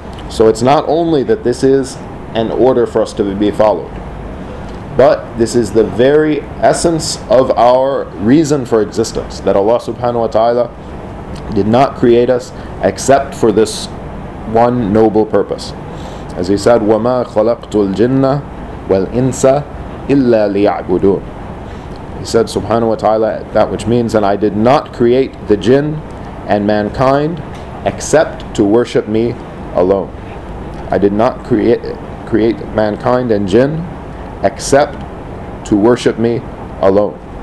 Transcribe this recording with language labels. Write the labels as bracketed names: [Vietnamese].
[English] So it's not only that this is an order for us to be followed, but this is the very essence of our reason for existence, that Allah subhanahu wa ta'ala did not create us except for this one noble purpose. As He said, [Arabic] وَمَا خَلَقْتُ الْجِنَّ وَالْإِنسَ إِلَّا لِيَعْبُدُونَ. [English] He said, subhanahu wa ta'ala, that which means, and I did not create the jinn and mankind except to worship me alone. I did not create mankind and jinn except to worship me alone.